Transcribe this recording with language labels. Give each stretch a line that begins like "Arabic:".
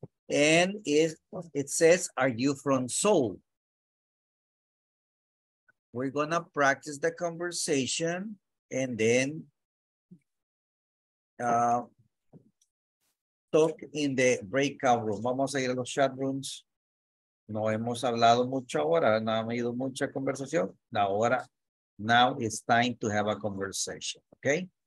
English: And it says, are you from Seoul? We're gonna practice the conversation and then talk in the breakout room.
Spanish: Vamos a ir a los chat rooms. No hemos hablado mucho ahora, no ha habido mucha conversación. Ahora,
English: now it's time to have a conversation, okay?